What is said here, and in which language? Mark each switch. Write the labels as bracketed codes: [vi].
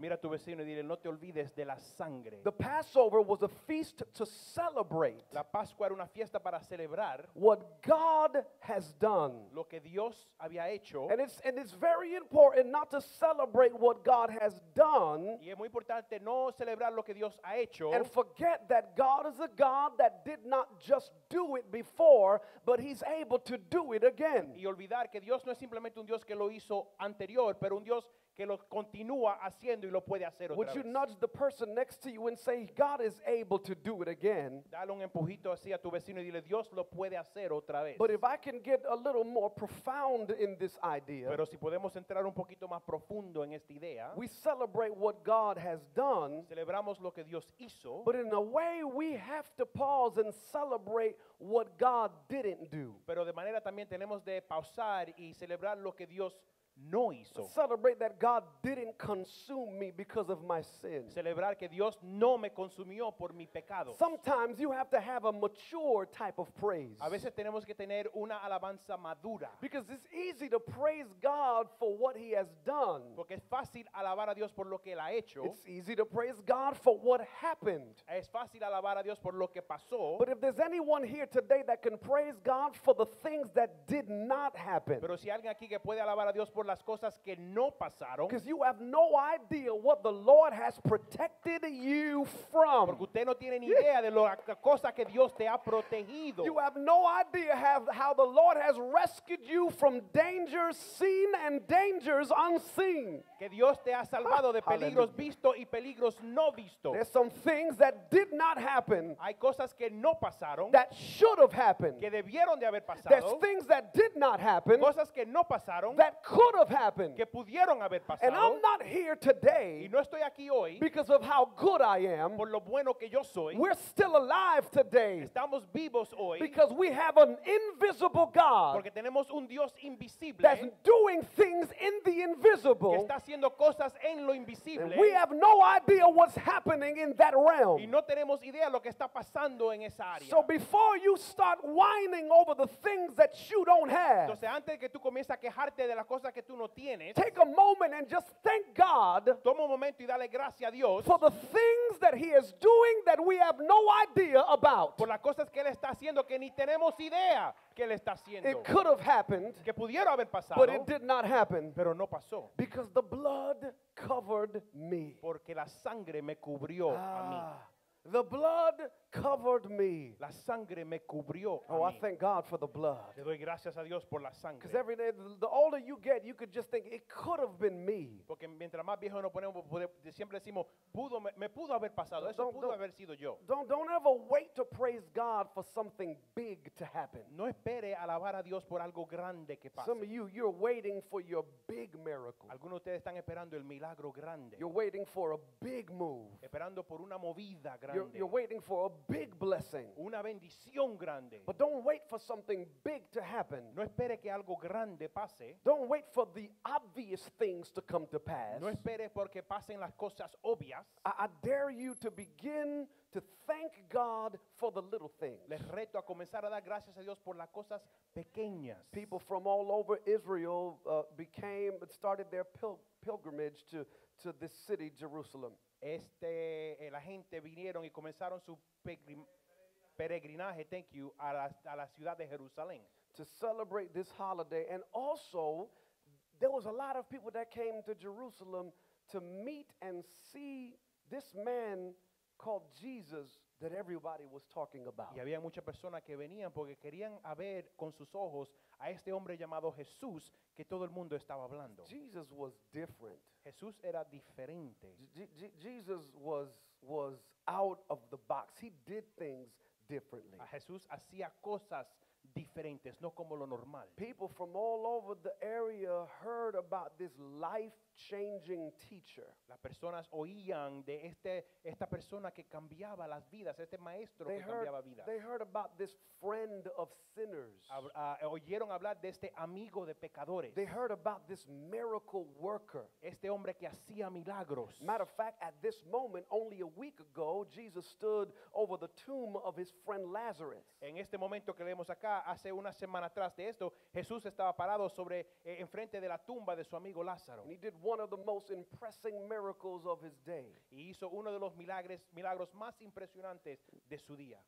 [es] Mira a tu vecino y dile, no te olvides de la sangre. [en] The Passover was a feast to celebrate, [es] la Pascua era una fiesta para celebrar, [en] what God has done. [es] Lo que Dios había hecho. [en] And it's very important not to celebrate what God has done, [es] y es muy importante no celebrar lo que Dios ha hecho, [en] and forget that God is a God that did not just do it before, but he's able to do it again. [es] Y olvidar que Dios no es simplemente un Dios que lo hizo anterior, pero un Dios que lo continúa haciendo y lo puede hacer otra vez. [en] Would you nudge the person next to you and say, God is able to do it again? [es] Dale un empujito así a tu vecino y dile, Dios lo puede hacer otra vez. [en] But if I can get a little more profound in this idea, [es] pero si podemos entrar un poquito más profundo en esta idea, [en] we celebrate what God has done, [es] celebramos lo que Dios hizo, [en] but in a way we have to pause and celebrate what God didn't do. [es] Pero de manera también tenemos de pausar y celebrar lo que Dios no hizo. [en] Celebrate that God didn't consume me because of my sin. [es] Celebrar que Dios no me consumió por mi pecado. [en] Sometimes you have to have a mature type of praise. [es] A veces tenemos que tener una alabanza madura. [en] Because it's easy to praise God for what he has done. [es] Porque es fácil alabar a Dios por lo que él ha hecho. [en] It's easy to praise God for what happened. [es] Es fácil alabar a Dios por lo que pasó. [en] But if there's anyone here today that can praise God for the things that did not happen. [es] Pero si alguien aquí que puede alabar a Dios por las cosas que no pasaron. [en] Because you have no idea what the Lord has protected you from. [es] Porque usted no tiene ni idea de lo cosa que Dios te ha protegido. [en] You have no idea how the Lord has rescued you from dangers seen and dangers unseen. [es] Que Dios te ha salvado de peligros visto y peligros no visto. [en] There's some things that did not happen. [es] Hay cosas que no pasaron. [en] That should have happened. [es] Que debieron de haber pasado. [en] There's things that did not happen. [es] Cosas que no pasaron. [en] That could have happened. [es] Que pudieron haber pasado. [en] And I'm not here today [es] y no estoy aquí hoy [en] because of how good I am. [es] Por lo bueno que yo soy. [en] We're still alive today. [es] Estamos vivos hoy [en] because we have an invisible God [es] porque tenemos un Dios invisible [en] that's doing things in the invisible. [es] Que está haciendo cosas en lo invisible. [en] And we have no idea what's happening in that realm. [es] Y no tenemos idea lo que está pasando en esa área. [en] So before you start whining over the things that you don't have, [es] entonces antes que tú comiences a quejarte de las cosas que tú no tienes, [en] take a moment and just thank God. [es] Toma un momento y dale gracias a Dios [en] for the things that He is doing that we have no idea about. [es] Por las cosas que Él está haciendo que ni tenemos idea que Él está haciendo. [en] It could have happened, [es] que pudiera haber pasado, [en] but it did not happen, [es] pero no pasó, [en] because the blood covered me. [es] Porque la sangre me cubrió a mí. [en] The blood covered me. [es] La sangre me cubrió. [en] Oh, I thank God for the blood. [es] Le doy gracias a Dios por la sangre. [en] Because every day, the older you get, you could just think it could have been me. [es] Porque mientras más viejo nos ponemos, siempre decimos, pudo me pudo haber pasado. Eso pudo haber sido yo. [en] Don't ever wait to praise God for something big to happen. [es] No espere alabar a Dios por algo grande que pase. [en] Some of you're waiting for your big miracle. [es] Algunos de ustedes están esperando el milagro grande. [en] You're waiting for a big move. [es] Esperando por una movida grande. [en] You're waiting for a big blessing. [es] Una bendición grande. [en] But don't wait for something big to happen. [es] No espere que algo grande pase. [en] Don't wait for the obvious things to come to pass. [es] No espere porque pasen las cosas obvias. [en] I dare you to begin to thank God for the little things. [es] Les reto a comenzar a dar gracias a Dios por las cosas pequeñas. [en] People from all over Israel started their pilgrimage to this city, Jerusalem. [es] La gente vinieron y comenzaron su peregrinaje, [en] thank you, [es] a la ciudad de Jerusalén. [en] To celebrate this holiday. And also, there was a lot of people that came to Jerusalem to meet and see this man called Jesus that everybody was talking about. [es] Y había muchas personas que venían porque querían ver con sus ojos a este hombre llamado Jesús que todo el mundo estaba hablando. [en] Jesus was different. [es] Jesús era diferente. [en] Jesus was out of the box. He did things differently. [es] Jesús hacía cosas diferentes, no como lo normal. [en] People from all over the area heard about this life-changing teacher. [es] Las personas oían de esta persona que cambiaba las vidas, este maestro [en] they [es] que [en] heard, [es] cambiaba vidas. [en] They heard about this friend of sinners. [es] Oyeron hablar de este amigo de pecadores. [en] They heard about this miracle worker. [es] Este hombre que hacía milagros. [en] Matter of fact, at this moment, only a week ago, Jesus stood over the tomb of his friend Lazarus. [es] En este momento que leemos acá, hace una semana atrás de esto, Jesús estaba parado sobre enfrente de la tumba de su amigo Lázaro. [en] And he did one of the most impressive miracles of his day. [es] Y hizo uno de los milagros más impresionantes de su día.